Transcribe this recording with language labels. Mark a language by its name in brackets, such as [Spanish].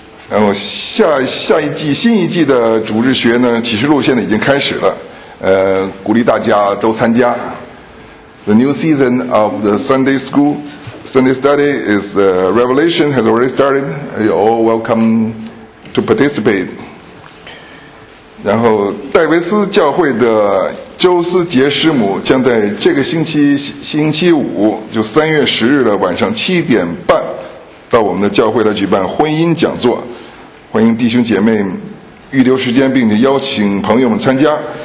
[Chinese] 然后下一季新一季的主日学呢，启示录现在已经开始了，鼓励大家都参加。 [English] The new season of the Sunday study is Revelation has already started. You're all welcome to participate. [Chinese] 然后戴维斯教会的周思杰师母将在这个星期五，就3月10日的晚上7:30，到我们的教会来举办婚姻讲座，欢迎弟兄姐妹预留时间，并且邀请朋友们参加。